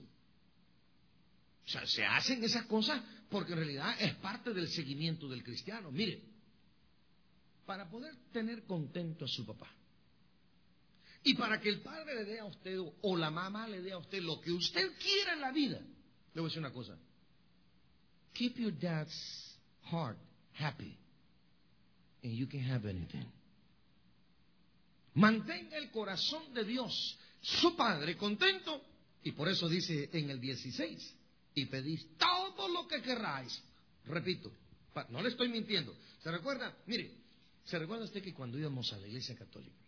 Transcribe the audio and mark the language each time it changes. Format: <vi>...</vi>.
<es>O sea, se hacen esas cosas porque en realidad es parte del seguimiento del cristiano. Mire, para poder tener contento a su papá, y para que el padre le dé a usted o la mamá le dé a usted lo que usted quiera en la vida, le voy a decir una cosa.</es> <en>Keep your dad's heart happy and you can have anything.</en> <es>Mantenga el corazón de Dios, su padre, contento. Y por eso dice en el 16: y pedís todo lo que querráis. Repito, no le estoy mintiendo. ¿Se recuerda? Mire, ¿se recuerda usted que cuando íbamos a la iglesia católica?</es>